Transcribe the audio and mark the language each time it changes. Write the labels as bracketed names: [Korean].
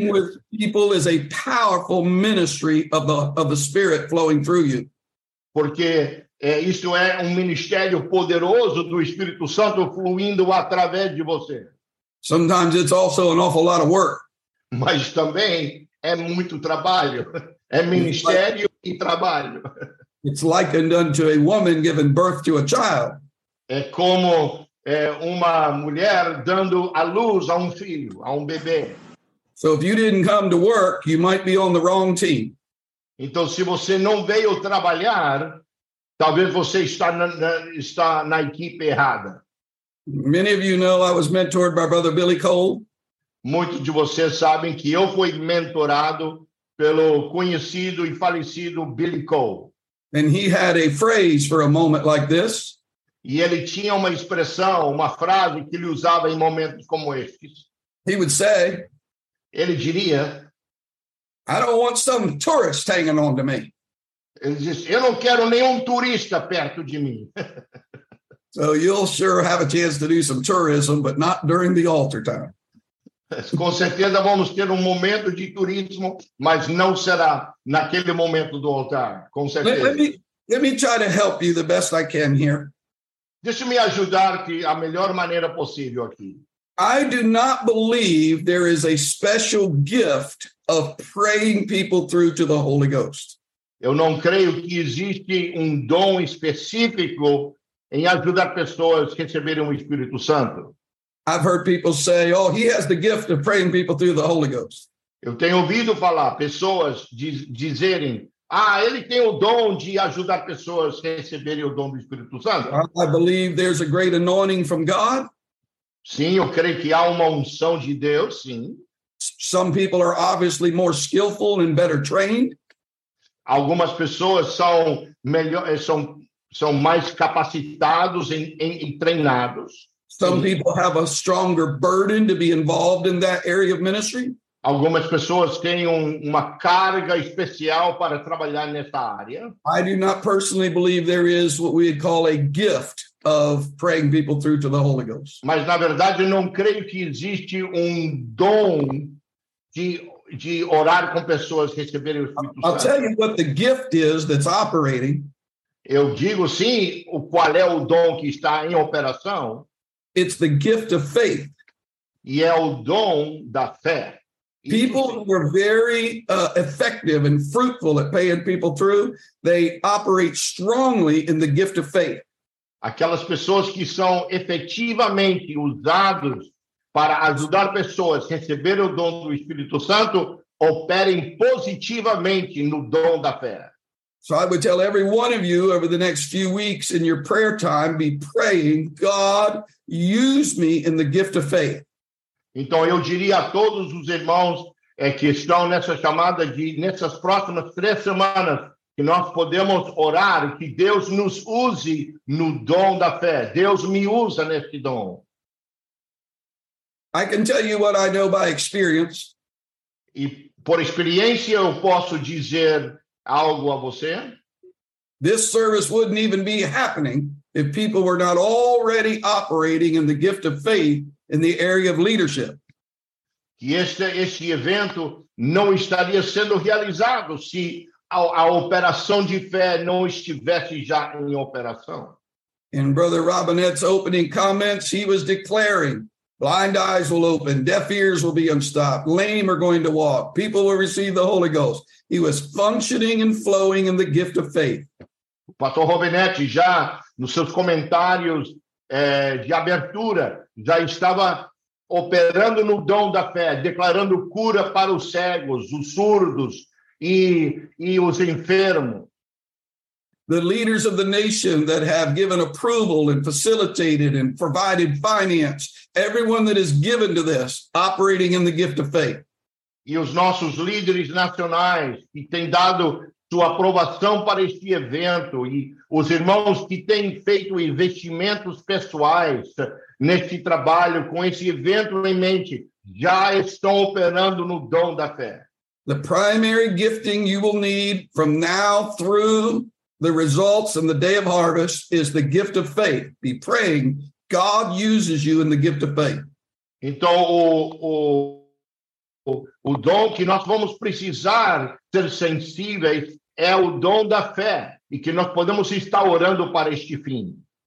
[English] Praying with people is a powerful ministry of the Spirit flowing through you. [Portuguese] Porque isso é ministério poderoso do Espírito Santo fluindo através de você. [English] Sometimes it's also an awful lot of work. [Portuguese] Mas também é muito trabalho. É ministério e trabalho. [English] It's likened unto a woman giving birth to a child. [Portuguese] É como uma mulher dando à luz a filho, a bebê. [English] So if you didn't come to work, you might be on the wrong team. [Portuguese] Então, se você não veio trabalhar, talvez você está na equipe errada. [English] Many of you know I was mentored by Brother Billy Cole. [Portuguese] Muitos de vocês sabem que eu fui mentorado pelo conhecido e falecido Billy Cole. [English] And he had a phrase for a moment like this. [Portuguese] E ele tinha uma expressão, uma frase que ele usava em momentos como estes. [English] He would say, [Portuguese] ele diria, [English] I don't want some tourist hanging on to me. [Portuguese] Ele disse, eu não quero nenhum turista perto de mim. [English] So you'll sure have a chance to do some tourism, but not during the altar time. [Portuguese] Com certeza vamos ter momento de turismo, mas não será naquele momento do altar, com certeza. [English] Let me try to help you the best I can here. [Portuguese] Deixa-me ajudar que a melhor maneira possível aqui. [English] I do not believe there is a special gift of praying people through to the Holy Ghost. [Portuguese] Eu não creio que existe dom específico em ajudar pessoas a receberem o Espírito Santo. [English] I've heard people say, oh, he has the gift of praying people through the Holy Ghost. [Portuguese] Eu tenho ouvido falar pessoas dizerem, ah, ele tem o dom de ajudar pessoas a receberem o dom do Espírito Santo. [English] I believe there's a great anointing from God. [Portuguese] Sim, eu creio que há unção de Deus, sim. [English] Some people are obviously more skillful and better trained. [Portuguese] Algumas pessoas são são mais capacitados e treinados. [English] Some people have a stronger burden to be involved in that area of ministry. [Portuguese] Algumas pessoas têm uma carga especial para trabalhar nessa área. [English] I do not personally believe there is what we would call a gift of praying people through to the Holy Ghost. [Portuguese] Mas, na verdade, eu não creio que existe dom de orar com pessoas receberem o Espírito Santo. [English] I'll tell you what the gift is that's operating. [Portuguese] Eu digo, sim, qual é o dom que está em operação. [English] It's the gift of faith. [Portuguese] E é o dom da fé. [English] People who are very effective and fruitful at paying people through, they operate strongly in the gift of faith. [Portuguese] Aquelas pessoas que são efetivamente usadas para ajudar pessoas a receber o dom do Espírito Santo, operem positivamente no dom da fé. [English] So I would tell every one of you over the next few weeks in your prayer time, be praying, God, use me in the gift of faith. [Portuguese] Então eu diria a todos os irmãos que estão nessa chamada de nessas próximas três semanas que nós podemos orar que Deus nos use no dom da fé. Deus me usa nesse dom. [English] I can tell you what I know by experience. [Portuguese] E por experiência eu posso dizer algo a você. [English] This service wouldn't even be happening if people were not already operating in the gift of faith in the area of leadership. [Portuguese] Que este evento não estaria sendo realizado se a operação de fé não estivesse já em operação. [English] In Brother Robinette's opening comments, he was declaring, blind eyes will open, deaf ears will be unstopped, lame are going to walk, people will receive the Holy Ghost. He was functioning and flowing in the gift of faith. [Portuguese] O pastor Robinette já, nos seus comentários de abertura, já estava operando no dom da fé, declarando cura para os cegos, os surdos e os enfermos. [English] the leaders of the nation that have given approval and facilitated and provided finance, everyone that is given to this, operating in the gift of faith. [Portuguese] E os nossos líderes nacionais que têm dado sua aprovação para este evento e os irmãos que têm feito investimentos pessoais neste trabalho com esse evento em mente, já estão operando no dom da fé. [English] The primary gifting you will need from now through the results and the day of harvest is the gift of faith. Be praying God uses you in the gift of faith. [Portuguese] Então, o dom que nós vamos precisar ser sensíveis é o dom da fé e que nós podemos estar orando para este fim.